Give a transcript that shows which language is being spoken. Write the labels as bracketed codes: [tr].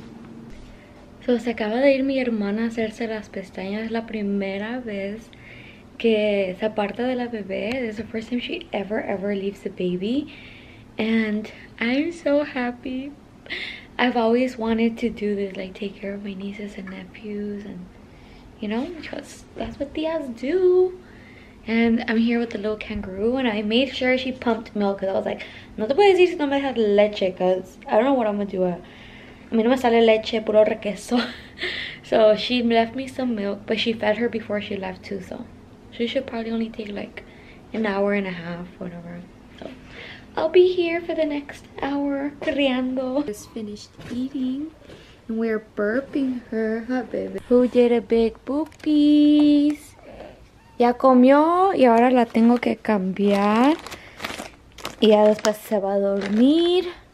[es] Miren. Oh. So, se acaba de ir mi hermana a hacerse las pestañas. La primera vez que se aparta de la bebé. [en] This is the first time she ever leaves the baby. And I'm so happy. I've always wanted to do this, like take care of my nieces and nephews. And, you know, because that's what tías do. And I'm here with the little kangaroo, and I made sure she pumped milk because I was like, [es] no te puedes decir si no me dejas leche, [en] because I don't know what I'm going to do. [es] A mí no me sale leche, puro requeso. [en] So she left me some milk, but she fed her before she left too, so she should probably only take like an hour and a half, whatever. So I'll be here for the next hour, criando. Just finished eating, and we're burping her, huh, baby? Who did a big boopies? [es] Ya comió y ahora la tengo que cambiar. Y ya después se va a dormir.